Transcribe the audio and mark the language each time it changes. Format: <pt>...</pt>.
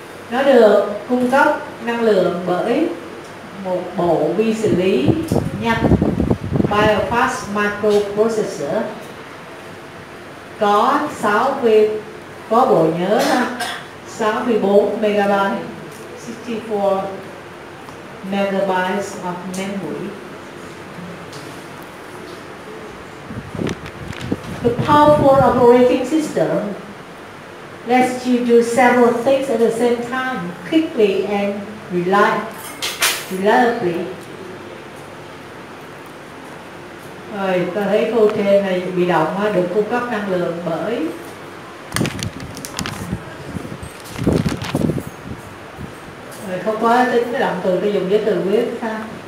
<vi>Nó được cung cấp năng lượng bởi một bộ vi xử lý nhanh, BioFast microprocessor, có</vi> <en>64 megabytes of memory. The powerful operating system lets you do several things at the same time, quickly and reliably.</en> <vi>Rồi, tôi thấy câu trên này bị động, được cung cấp năng lượng bởi rồi, không có tính cái động từ, tôi dùng giới từ with ha.</vi>